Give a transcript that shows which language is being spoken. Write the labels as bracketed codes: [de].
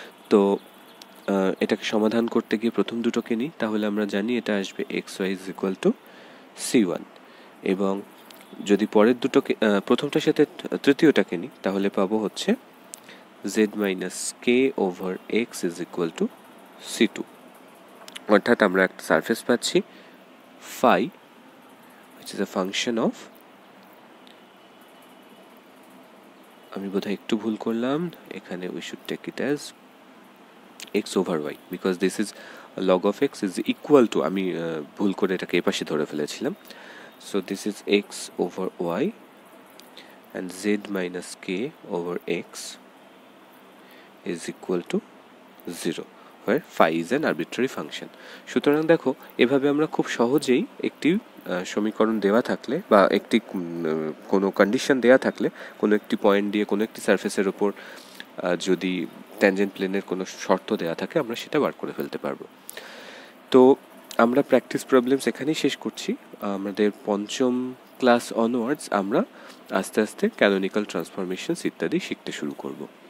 [bn] তো এটাকে সমাধান করতে গিয়ে প্রথম দুটোকে নিই, তাহলে আমরা জানি এটা আসবে [en] x y is equal to c one, [bn] এবং যদি পরের দুটোকে প্রথমটার সাথে তৃতীয়টাকে নিই তাহলে পাবো হচ্ছে [en] Z minus k over x is equal to c two. [bn] অর্থাৎ আমরা একটা সারফেস পাচ্ছি phi [en] which is a function of, [bn] আমি বোধহয় একটু ভুল করলাম এখানে, [en] we should take it as x over y because this is log of x is equal to, [bn] আমি ভুল করে এটাকে এপাশে ধরে ফেলেছিলাম, [en] so this is x over y and z minus k over x is equal to 0 where phi is an arbitrary function. [bn] সুতরাং দেখো এভাবে আমরা খুব সহজেই একটি সমীকরণ দেওয়া থাকলে বা একটি কোনো কন্ডিশন দেওয়া থাকলে কোনো একটি পয়েন্ট দিয়ে কোনো একটি সারফেসের উপর যদি ট্যাঞ্জেন্ট প্লেনের কোনো শর্ত দেওয়া থাকে আমরা সেটা বার করে ফেলতে পারবো। তো আমরা প্র্যাকটিস প্রবলেমস এখানেই শেষ করছি, আমাদের পঞ্চম ক্লাস অনওয়ার্ডস আমরা আস্তে আস্তে ক্যানোনিক্যাল ট্রান্সফরমেশনস ইত্যাদি শিখতে শুরু করবো।